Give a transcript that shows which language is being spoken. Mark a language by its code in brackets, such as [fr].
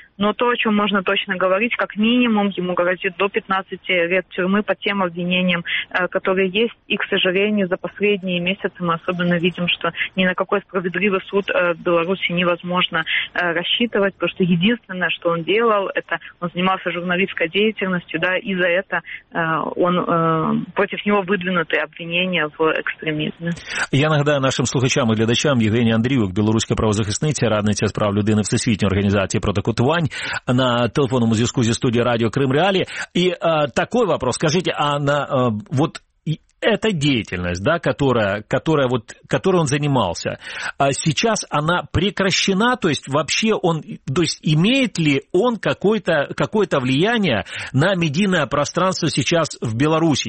[ru] Но то, о чем можно точно говорить, как минимум ему грозит до 15 лет тюрьмы по тем обвинениям, которые есть. И, к сожалению, за последние месяцы мы особенно видим, что ни на какой справедливый суд в Беларуси невозможно рассчитывать, потому что единственное, что он делал, это он занимался журналистской деятельностью, да, и за это он против него выдвинуты обвинения в экстремизме. [uk] Я нагадаю нашим слухачам и глядачам, Евгений Андрійовик, белоруська правозахисниця, радниця з прав людини Всесвітньої організації проти катувань, [ru] на телефонном звонку из студии радио Крым Реали. И такой вопрос, скажите, а на вот эта деятельность, да, которой он занимался, сейчас она прекращена? То есть вообще он, то есть имеет ли он какое-то влияние на медийное пространство сейчас в Беларуси?